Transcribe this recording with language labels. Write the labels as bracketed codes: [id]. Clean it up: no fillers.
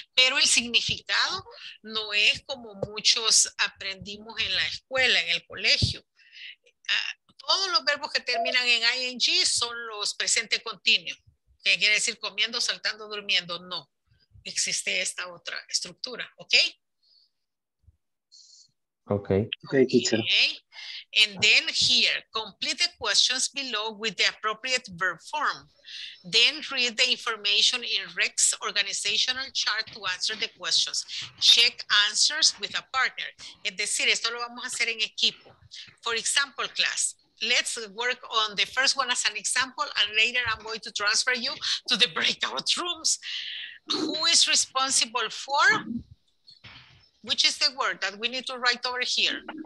[es] Pero el significado no es como muchos aprendimos en la escuela, en el colegio. Todos los verbos que terminan en ING son los presente continuo. Que quiere decir comiendo, saltando, durmiendo. No. Existe esta otra estructura, ¿ok? [en] Okay. Okay, teacher. Okay. And then here, complete the questions below with the appropriate verb form. Then read the information in REC's organizational chart to answer the questions. Check answers with a partner. [es] Es decir, esto lo vamos a hacer en equipo. [en] For example, class, let's work on the first one as an example, and later I'm going to transfer you to the breakout rooms. Who is responsible for? Which is the word that we need to write over here?